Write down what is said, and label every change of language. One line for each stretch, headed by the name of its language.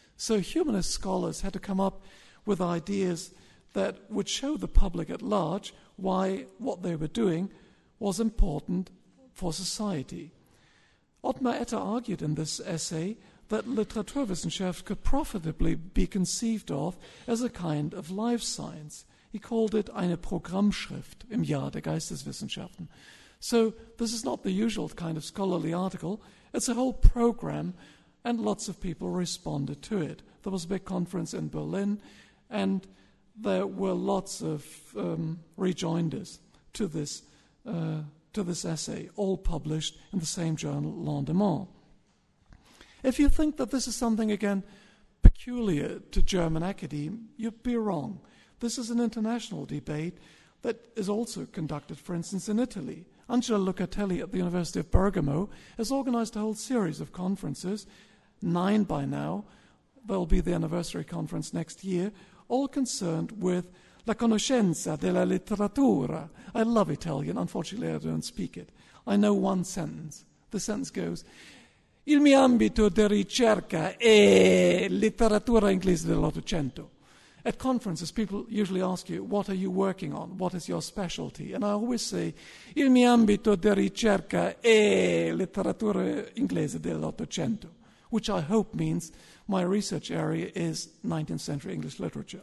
English: So humanist scholars had to come up with ideas that would show the public at large why what they were doing was important for society. Ottmar Etter argued in this essay that Literaturwissenschaft could profitably be conceived of as a kind of life science. He called it
German: eine Programmschrift im Jahr der Geisteswissenschaften.
English: So this is not the usual kind of scholarly article. It's a whole program, and lots of people responded to it. There was a big conference in Berlin, and there were lots of rejoinders to this essay, all published in the same journal, L'Endemont. If you think that this is something, again, peculiar to German academe, you'd be wrong. This is an international debate that is also conducted, for instance, in Italy. Angela Locatelli at the University of Bergamo has organized a whole series of conferences, 9 by now, there'll be the anniversary conference next year, all concerned with
Italian: la conoscenza della letteratura.
English: I love Italian, unfortunately I don't speak it. I know one sentence. The sentence goes,
Italian: il mio ambito di ricerca è letteratura inglese dell'Ottocento.
English: At conferences, people usually ask you, what are you working on? What is your specialty? And I always say,
Italian: il mio ambito di ricerca è letteratura inglese dell'Ottocento,
English: which I hope means my research area is 19th century English literature.